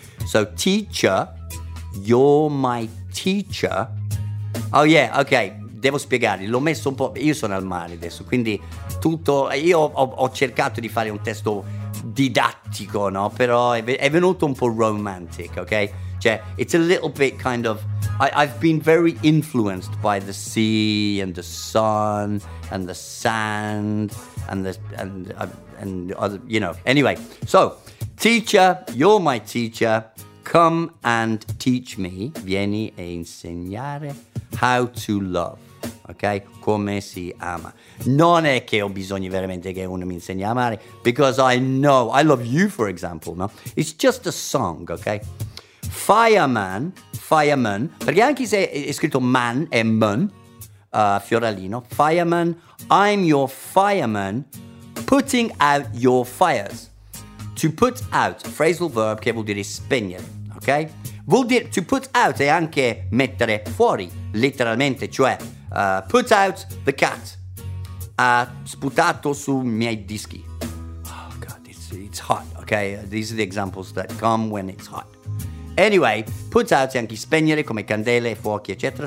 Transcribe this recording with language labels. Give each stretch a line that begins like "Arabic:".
English: So, teacher, you're my teacher.
Italian: Oh yeah, ok, devo spiegare, l'ho messo un po'... Io sono al mare adesso, quindi tutto... Io ho cercato di fare un testo didattico, no? Però è venuto un po' romantic, ok? Cioè,
English: it's a little bit kind of... I've been very influenced by the sea and the sun and the sand and the... And other, you know, anyway, so teacher, you're my teacher, come and teach me,
Italian: vieni e insegnare
English: how to love, ok,
Italian: come si ama. Non è che ho bisogno veramente che uno mi insegni a amare,
English: because I know, I love you for example, no, it's just a song, ok.
Italian: Fireman, perché anche se è scritto man e mun, fiorellino, fireman,
English: I'm your fireman, putting out your fires.
Italian: To put out, phrasal verb che vuol dire spegnere, ok? Vuol dire to put out e anche mettere fuori, letteralmente, cioè
English: put out the cat.
Italian: Ha sputato su miei dischi.
English: Oh God, it's hot, ok? These are the examples that come when it's hot.
Italian: Anyway, put out e anche spegnere come candele, fuochi, eccetera.